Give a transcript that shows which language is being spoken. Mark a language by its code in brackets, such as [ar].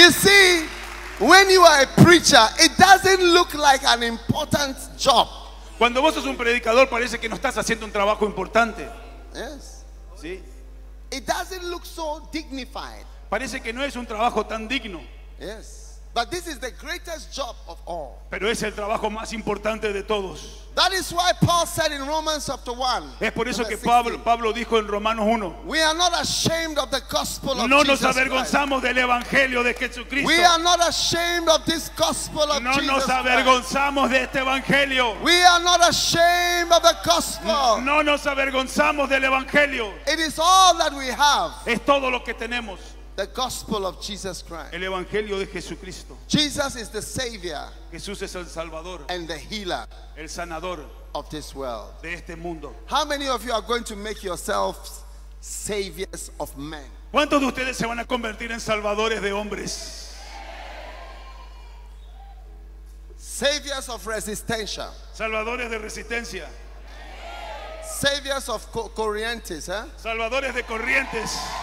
[en] You see, when you are a preacher, it doesn't look like an important job. [es] Cuando vos sos un predicador, parece que no estás haciendo un trabajo importante. [en] Yes. [es] Sí. [en] It doesn't look so dignified. [es] Parece que no es un trabajo tan digno. [en] Yes. But this is the greatest job of all. [es] Pero es el trabajo más importante de todos. [en] That is why Paul said in Romans chapter 1. [es] Es por eso que Pablo dijo en Romanos 1. [en] We are not ashamed of the gospel of [es] Jesus. No nos avergonzamos del evangelio de Jesucristo. [en] We are not ashamed of this gospel of Jesus. [es] No nos avergonzamos de este evangelio. [en] We are not ashamed of the gospel. [es] No nos avergonzamos del evangelio. [en] It is all that we have. [es] Es todo lo que tenemos. [en] The gospel of Jesus Christ. [es] El evangelio de Jesucristo. [en] Jesus is the savior. [es] Jesús es el salvador. [en] And the healer. [es] El sanador. [en] Of this world. [es] De este mundo. [en] How many of you are going to make yourselves saviors of men? [es] ¿Cuántos de ustedes se van a convertir en salvadores de hombres? [en] Saviors of resistencia. [es] Salvadores de resistencia. [en] Saviors of corrientes, ¿eh? [es] Salvadores de corrientes.